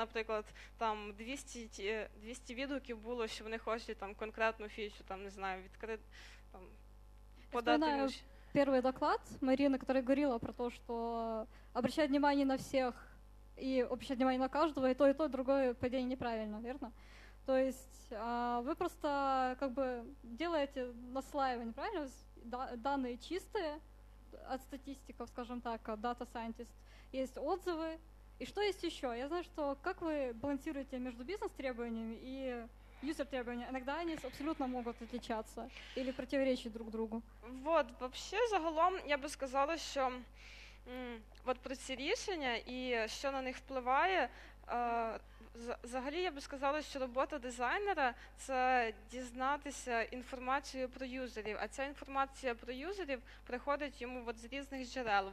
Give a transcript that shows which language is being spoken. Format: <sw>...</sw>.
<uk>Наприклад, там 200 відгуків було, що вони хочуть там конкретну фічу, там, не знаю, відкрити, там, подати. Я вспоминаю перший доклад Маріни, яка говорила про те, що обращати внимание на всіх і обращати внимание на кожного, і то, друге падіння неправильно, вірно?</uk> <ru>То есть вы просто как бы делаете наслаивание, правильно? Данные чистые от статистиков, скажем так, от Data Scientist. Есть отзывы. И что есть еще? Я знаю, что как вы балансируете между бизнес-требованиями и юзер-требованиями? Иногда они абсолютно могут отличаться или противоречить друг другу. Вот, вообще, загалом, я бы сказала, что вот про эти решения и что на них впливает, взагалі, я би сказала, що робота дизайнера – це дізнатися інформацією про юзерів.</ru> <uk>А ця інформація про юзерів приходить йому от з різних джерел.</uk>